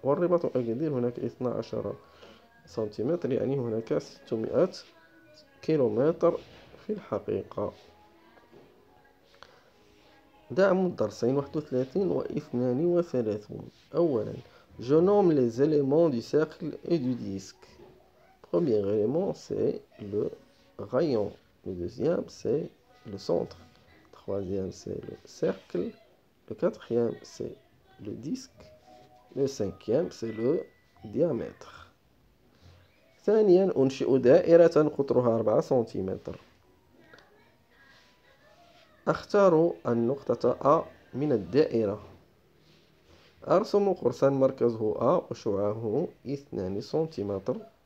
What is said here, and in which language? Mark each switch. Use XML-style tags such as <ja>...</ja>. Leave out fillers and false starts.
<ar>والرباط أكادير هناك 12 سنتيمتر، يعني هناك 600 كيلومتر في الحقيقة. دعم الدرسين 31 و 32.</ar> <fr>أولا، جونوم لي زيليمون دو سيركل اي دو ديسك. Premier élément, c'est le rayon. Le deuxième, c'est le centre. Le troisième, c'est le cercle. Le quatrième, c'est le disque. Le cinquième, c'est le diamètre.</fr> <ar>ثانياً، أنشئ دائرة قطرها 4 سنتيمتر. أختار النقطة A من الدائرة. أرسم قرصاً مركزه A وشعاعه 2 سنتيمتر.</ar>